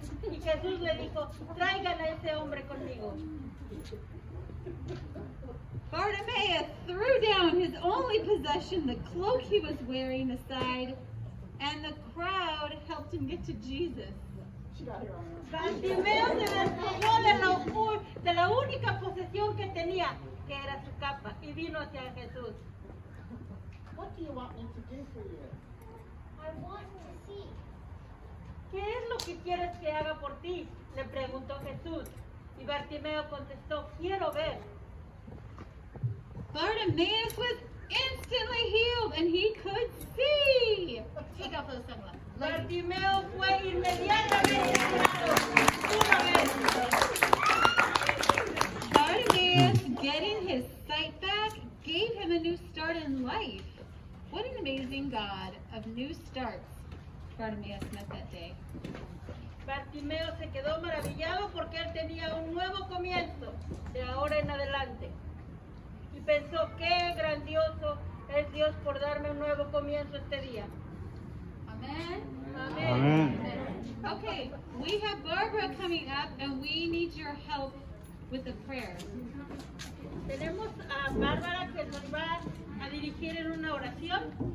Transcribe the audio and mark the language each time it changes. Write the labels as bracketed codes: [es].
[es] Y Jesús le dijo, tráigan a ese hombre conmigo. [en] Bartimaeus threw down his only possession, the cloak he was wearing, aside, and the crowd helped him get to Jesus. [es] Bartimaeus se despojó de la única posesión que tenía, que era su capa, y vino hacia Jesús. [en] What do you want me to do for you? [es] ¿Qué es lo que quieres que haga por ti? Le preguntó Jesús. Y Bartimeo contestó, quiero ver. [en] Bartimaeus was instantly healed and he could see. [es] Chica, [en] for the second one. [es] Bartimeo fue inmediatamente [en] healed. Bartimeus getting his sight back gave him a new start in life. What an amazing God of new starts Bartimaeus met that day. [es] Bartimeo se quedó maravillado porque él tenía un nuevo comienzo de ahora en adelante. Y pensó, qué grandioso es Dios por darme un nuevo comienzo este día. [en] Amen. Amen. Amen. Okay, we have Barbara coming up and we need your help with a prayer. [es] Tenemos a Bárbara que nos va a dirigir en una oración.